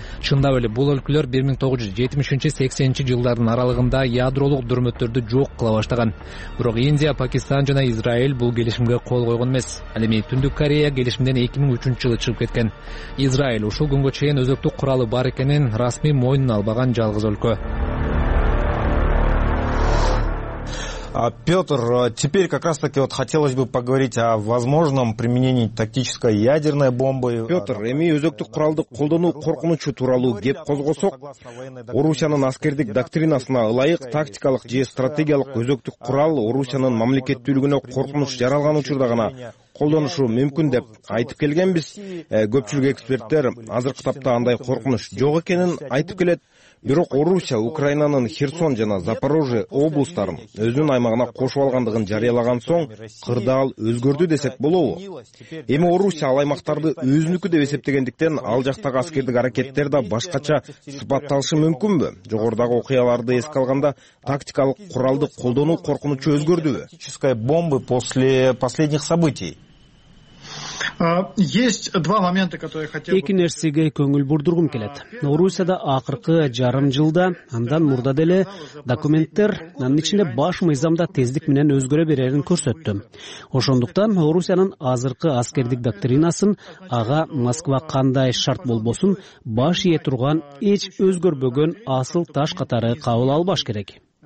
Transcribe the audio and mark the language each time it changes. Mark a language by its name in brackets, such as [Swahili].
[Kyrgyz] Чындап эле бул өлкөлөр 1970-80 жылдардын аралыгында ядролук дүрмөттөрдү жок кыла баштаган. Бирок Индия, Пакистан жана Израиль бул келишимге кол койгон эмес. Ал эми Түндүк Корея келишимден 2003 жылы чыгып кеткен. Израиль ушул күнгө чейин өзөктүк куралы бар экенин расмий мойнуна албаган жалгыз өлкө. [Russian] Петр, теперь как раз-таки вот хотелось бы поговорить о возможном применении тактической ядерной бомбы. [Kyrgyz] Петр, эми өзөктүк куралды колдонуу коркунучу тууралуу кеп козгосок, Орусиянын аскердик доктринасына ылайык тактикалык же стратегиялык өзөктүк курал Орусиянын мамлекеттүүлүгүнө коркунуч жаралган учурда гана колдонушу мүмкүн деп айтып келгенбиз. Көпчүлүк эксперттер азыркы тапта андай коркунуч жок экенин айтып келет. Бирок Орусия Украинанын Херсон жана Запорожье облустарын өзүнүн аймагына кошуп алгандыгын жарыялаган соң кырдаал өзгөрдү десек болобу? Эми Орусия ал аймактарды өзүнүкү деп эсептегендиктен ал жактагы аскердик аракеттер да башкача сыпатталышы мүмкүнбү? Жогорудагы окуяларды эске алганда тактикалык куралды колдонуу коркунучу өзгөрдүбү? [Russian] Чистка бомбы после последних событий. Есть два момента, которые я хотел бы... [Kyrgyz] Эки нерсеге көңүл бурдургум келет. Орусияда акыркы жарым жылда, андан мурда деле документтер, анын ичинде баш мыйзамда тездик менен өзгөрө берерин көрсөттү. Ошондуктан Орусиянын азыркы аскердик доктринасын ага Москва кандай шарт болбосун баш ийе турган эч өзгөрбөгөн асыл таш катары кабыл албаш керек.